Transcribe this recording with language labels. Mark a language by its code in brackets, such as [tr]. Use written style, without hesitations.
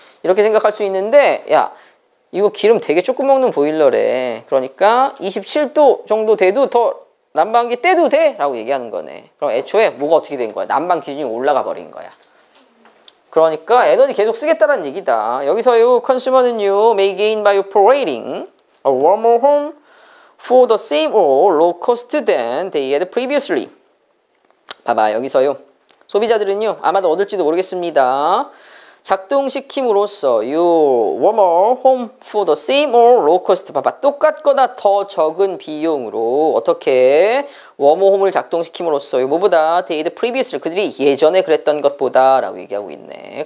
[ko] 이렇게 생각할 수 있는데, 야, 이거 기름 되게 조금 먹는 보일러래. 그러니까 27도 정도 돼도 더 난방기 떼도 돼? 라고 얘기하는 거네. 그럼 애초에 뭐가 어떻게 된 거야? 난방 기준이 올라가 버린 거야. 그러니까 에너지 계속 쓰겠다라는 얘기다. 여기서요, [en] consumer는요, may gain by operating a warmer home for the same or low cost than they had previously. [ko] 봐봐, 여기서요. 소비자들은요, 아마도 얻을지도 모르겠습니다. 작동시킴으로써 요 [en] warmer home for the same or low cost. [ko] 봐봐, 똑같거나 더 적은 비용으로 어떻게 warmer home을 작동시킴으로써 요 뭐보다 [en] they had previously, [ko] 그들이 예전에 그랬던 것보다 라고 얘기하고 있네.